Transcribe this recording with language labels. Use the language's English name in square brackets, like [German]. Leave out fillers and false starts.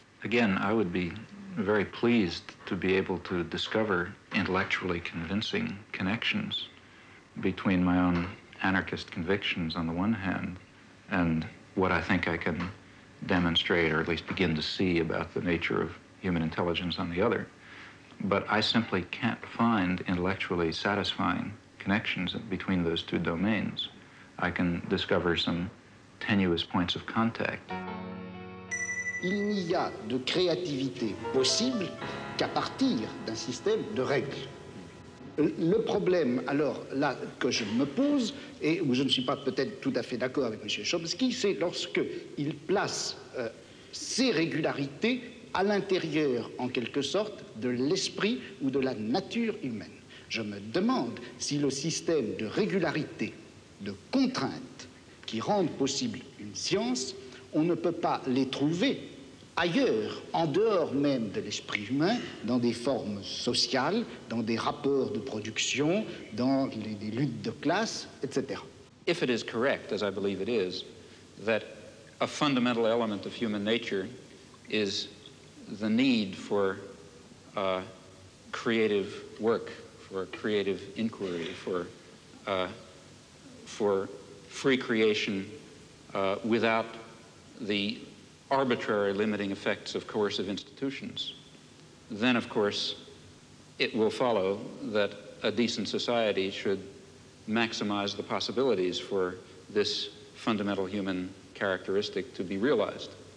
[English] Again, I would be very pleased to be able to discover intellectually convincing connections between my own anarchist convictions on the one hand and what I think I can demonstrate or at least begin to see about the nature of human intelligence on the other. But I simply can't find intellectually satisfying connections between those two domains. I can discover some tenuous points of contact. [French] Il n'y a de créativité possible qu'à partir d'un système de règles. Le problème, alors, là, que je me pose, et où je ne suis pas peut-être tout à fait d'accord avec M. Chomsky, c'est lorsque il place ces régularités à l'intérieur, en quelque sorte, de l'esprit ou de la nature humaine. Je me demande si le système de régularité, de contraintes, qui rendent possible une science, on ne peut pas les trouver ailleurs, en dehors même de l'esprit humain, dans des formes sociales, dans des rapports de production, dans des luttes de classe, etc. [English] If it is correct, as I believe it is, that a fundamental element of human nature is the need for creative work, for creative inquiry, for free creation without the arbitrary limiting effects of coercive institutions, then, of course, it will follow that a decent society should maximize the possibilities for this fundamental human characteristic to be realized.